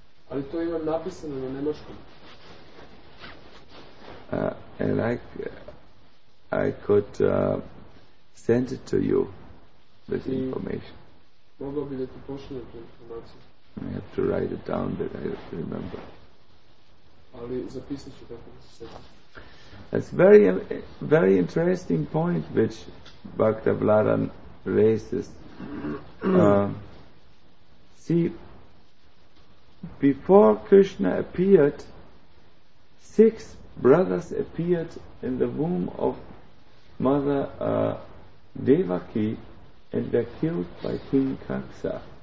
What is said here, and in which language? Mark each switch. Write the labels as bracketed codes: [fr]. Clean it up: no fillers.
[sr] Ali to imam napisano na nemačkom. [en] And I could send it to you, this information. [sr] Mogao bi da ti pošaljem tu informaciju. [en] I have to write it down, but I don't remember. [sr] Ali zapisat ću kako se sjeća. [en] That's very very interesting point which Bhakta Vladan raises. See, before Krishna appeared, six brothers appeared in the womb of Mother Devaki and were killed by King Kaksa.